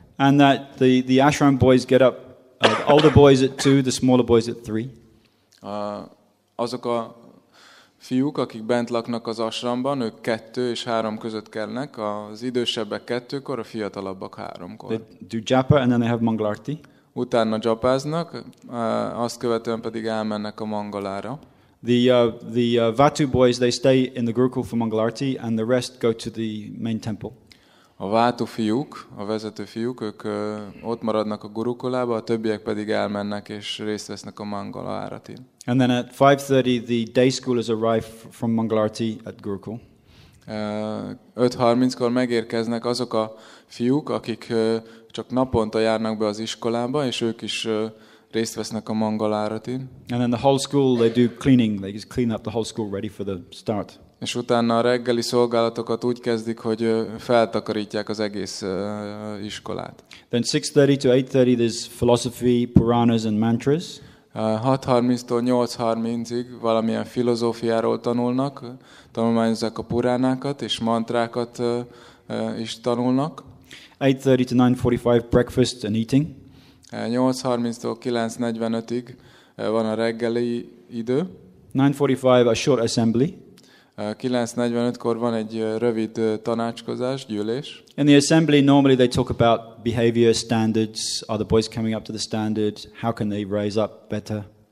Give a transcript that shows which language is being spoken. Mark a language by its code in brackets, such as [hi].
[en] And that the ashram boys get up, the older boys at 2, the smaller boys at 3. [hu] Azok a fiúk, akik bent laknak az ashramban, ők 2 és 3 között kelnek, az idősebbek 2-kor, a fiatalabbak 3-kor. [en] They do japa and then they have mangalarti. [hu] Utána japáznak, azt követően pedig elmennek a mangalára. [en] The vatu boys, they stay in the gurukul for mangalarti and the rest go to the main temple. [hu] A vatu fiúk, a vezető fiúk, ők ott maradnak a gurukulába, a többiek pedig elmennek és részt vesznek a mangalaratin. [en] And then at 5:30 the day schoolers arrive from mangalarti at gurukul. [hu] 5:30-kor megérkeznek azok a fiúk, akik csak naponta járnak be az iskolába, és ők is részt vesznek a mangaláratin. [en] And then the whole school, they do cleaning. They just clean up the whole school ready for the start. [hu] És utána a reggeli szolgálatokat úgy kezdik, hogy feltakarítják az egész iskolát. [en] Then 6:30 to 8:30 there's philosophy, puranas and mantras. [hu] 6:30-tól 8:30-ig valamilyen filozófiáról tanulnak, tanulmányozzák a puránákat és mantrákat is tanulnak. [en] 8:30 to 9:45 breakfast and eating. [hu] 8:30-tól 9:45-ig van a reggeli idő. [en] 9:45 a short assembly. [hu] 9:45-kor van egy rövid tanácskozás, gyűlés. [en] In the assembly normally they talk about behavior standards, are the boys coming up to the standard, how can they raise up better.